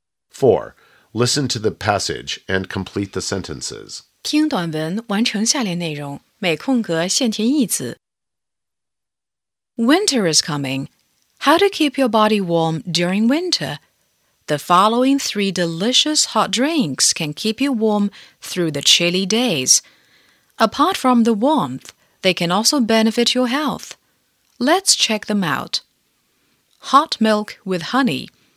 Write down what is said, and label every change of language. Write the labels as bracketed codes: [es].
[en] 4. Listen to the passage and complete the sentences. [zh] 听短文，完成下列内容，每空格限填一词。 [en] Winter is coming. How to keep your body warm during winter? The following three delicious hot drinks can keep you warm through the chilly days. Apart from the warmth, they can also benefit your health. Let's check them out. Hot milk with honey.